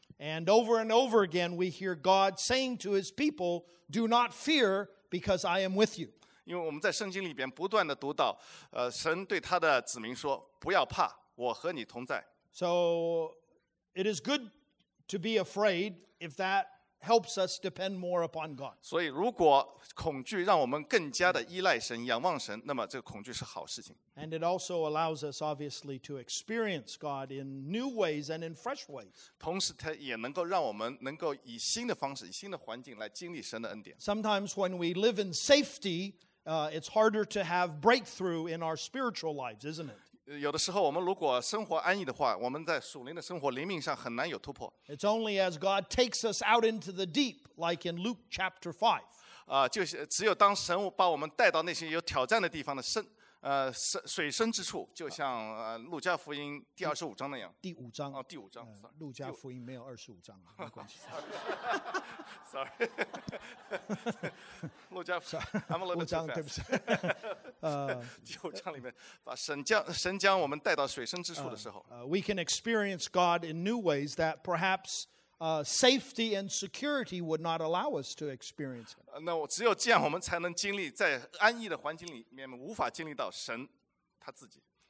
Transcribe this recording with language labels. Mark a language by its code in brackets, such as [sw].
[en] And over and over again we hear God saying to his people, do not fear because I am with you. [zh] 因为我们在圣经里面不断地读到神对他的子民说不要怕我和你同在。 [en] So it is goodto be afraid if that helps us depend more upon God. [zh] 所以如果恐惧让我们更加的依赖神仰望神那么这个恐惧是好事情。 [en] And it also allows us obviously to experience God in new ways and in fresh ways. [zh] 同时它也能够让我们能够以新的方式以新的环境来经历神的恩典。 [en] Sometimes when we live in safety, it's harder to have breakthrough in our spiritual lives, isn't it? [zh] 有的时候我们如果生活安逸的话我们在属灵的生活灵命上很难有突破 [en] It's only as God takes us out into the deep like in Luke chapter 5 [zh] 就是只有当神把我们带到那些有挑战的地方的水深之处就像路加福音第二十五章那样第五章路加福音没有二十五章没关系 [en] Sorry 路加福音 I'm a little bit too fast [zh] 对不起第五章里面把神将我们带到水深之处的时候 [en] We can experience God in new ways that perhaps safety and security would not allow us to experience it. [zh] 那只有这样我们才能经历在安逸的环境里面无法经历到神他自己